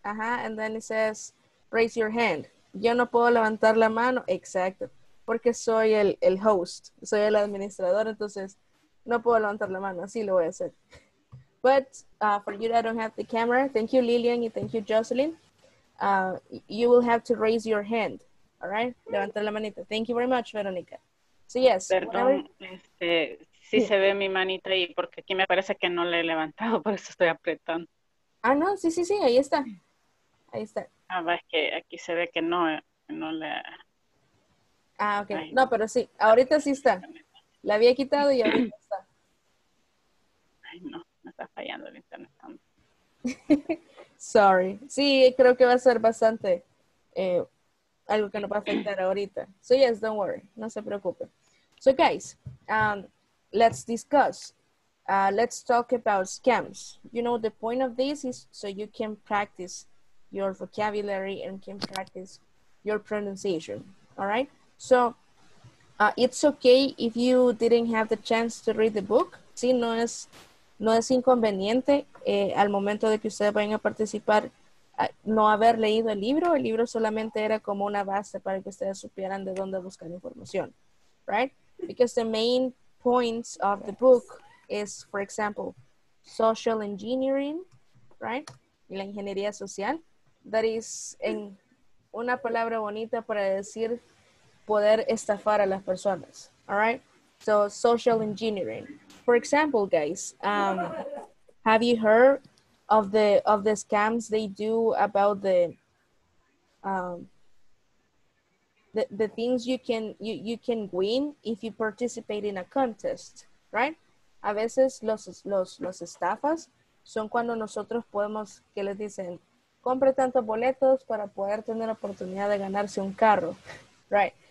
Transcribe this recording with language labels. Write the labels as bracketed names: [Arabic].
[English] Ajá, and then it says, raise your hand. [Spanish] Yo no puedo levantar la mano, exacto, porque soy el host, soy el administrador, entonces no puedo levantar la mano, así lo voy a hacer. [English] But for you that don't have the camera, thank you Lillian y thank you Jocelyn, you will have to raise your hand, all right? [Spanish] Levantar la manita, [English] thank you very much, Verónica. So yes. [Spanish] Perdón, sí, se ve mi manita ahí, porque aquí me parece que no la he levantado, por eso estoy apretando. Ah, no, sí, ahí está. Ahí está. Ah, va, es que aquí se ve que no la... Ah, ok. Ahí. No, pero sí, ahorita sí está. La había quitado y ahorita está. Ay, no, me está fallando el internet. [English] Sorry. [Spanish] Sí, creo que va a ser bastante algo que nos va a afectar ahorita. [English] So, yes, don't worry. [Spanish] No se preocupe. [English] So, guys, let's discuss. Let's talk about scams. You know, the point of this is so you can practice your vocabulary and can practice your pronunciation. All right? So, it's okay if you didn't have the chance to read the book. [Spanish] Sí, no es inconveniente al momento de que ustedes vayan a participar no haber leído el libro. El libro solamente era como una base para que ustedes supieran de dónde buscar información. [English] Right? Because the main points of the book is, for example, social engineering, right? [Spanish] La ingeniería social. [English] That is, [Spanish] en una palabra bonita para decir poder estafar a las personas, all right? [English] So, social engineering. For example, guys, have you heard of the scams they do about the things you can win if you participate in a contest, right? [Spanish] A veces los estafas son cuando nosotros podemos, que les dicen, compre tantos boletos para poder tener la oportunidad de ganarse un carro, right?